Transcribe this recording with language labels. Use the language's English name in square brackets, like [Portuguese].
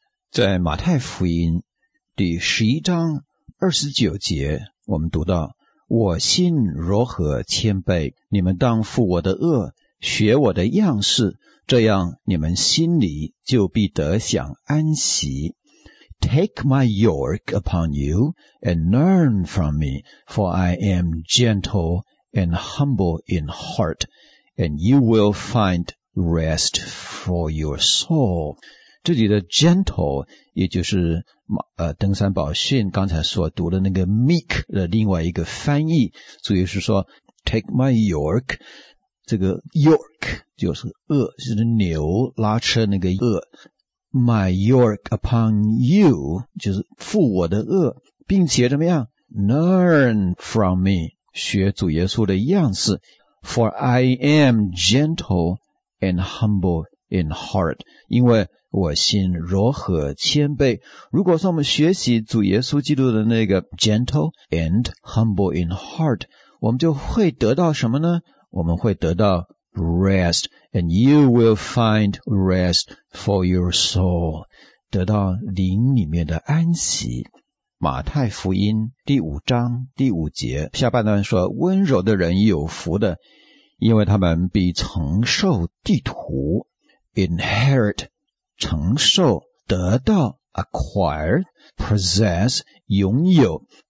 [Chinese] 在马太福音第11章29节，我们读到，我心柔和谦卑，你们当负我的轭，学我的样式，这样你们心里就必得享安息。 [English] Take my yoke upon you and learn from me, for I am gentle and humble in heart, and you will find rest for your soul. [Chinese] 这里的 gentle, 也就是登山宝训刚才所读的那个 meek 的另外一个翻译，所以是说 [English] take my yoke, [Chinese] 这个 yoke 就是轭，就是牛拉车那个轭。 [English] My yoke upon you, [Chinese] 就是负我的轭，并且怎么样 [English] ?learn from me, [Chinese] 学主耶稣的样式。 [English] For I am gentle and humble in heart, [Chinese] 因为我心柔和谦卑。如果说我们学习主耶稣基督的那个 [English] gentle and humble in heart, [Chinese] 我们就会得到什么呢？我们会得到 [English] Rest, and you will find rest for your soul. [Chinese] 得到灵里面的安息。马太福音第5章5节，下半段说，温柔的人有福的，因为他们必承受地土。 Inherit, 承受，得到 acquire, possess, 拥有。